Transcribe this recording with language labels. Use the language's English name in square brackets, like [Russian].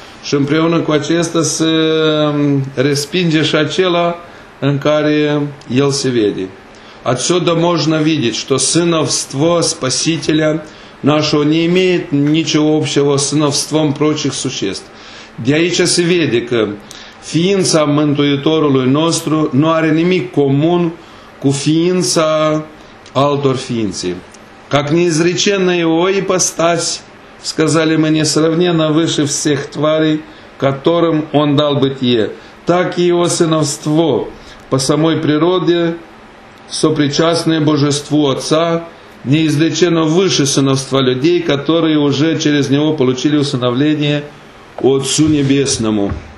[Romanian] Și împreună cu acesta se respinge și acela în care el se vede. [Russian] Отсюда можно видеть, что сыновство Спасителя нашего не имеет ничего общего с сыновством прочих существ. [Romanian] De aici se vede că ființa Mântuitorului nostru nu are nimic comun cu ființa altor ființe. [Russian] Как неизреченна его ипостась, сказали мы, несравненно выше всех тварей, которым он дал бытие, так и его сыновство по самой природе, сопричастное божеству Отца, неизреченно выше сыновства людей, которые уже через него получили усыновление Отцу Небесному.